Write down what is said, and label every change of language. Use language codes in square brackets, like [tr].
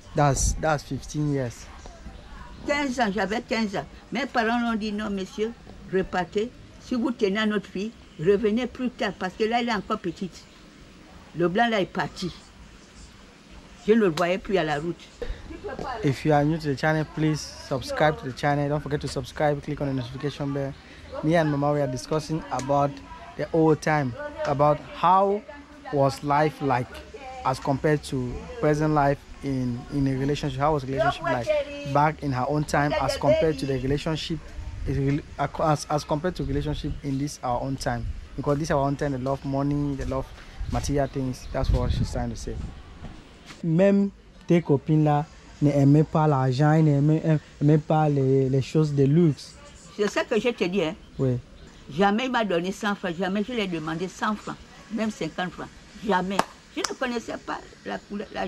[en] That's 15 years. [fr] 15 ans, j'avais 15 ans. Mes parents l'ont dit, non, monsieur, repartez. Si vous tenez à notre fille, revenez plus tard, parce que là, elle est encore petite. Le blanc, là, est parti. Je ne le voyais plus à la route. [en] If you are new to the channel, please subscribe to the channel. Don't forget to subscribe, click on the notification bell. Me and Mama, we are discussing about the old time, about how was life like as compared to present life in a relationship. How was relationship like back in her own time as compared to the relationship, as compared to relationship in this our own time? Because this our own time, they love money, they love material things. That's what she's trying to say. [fr] Même tes copines là ne aimaient pas l'argent, ne aimaient pas les choses de luxe. C'est ça que je te dis, hein? Oui. Jamais il m'a donné 100 francs, jamais je lui ai demandé 100 francs, même 50 francs. Jamais. Je ne connaissais pas la couleur. La...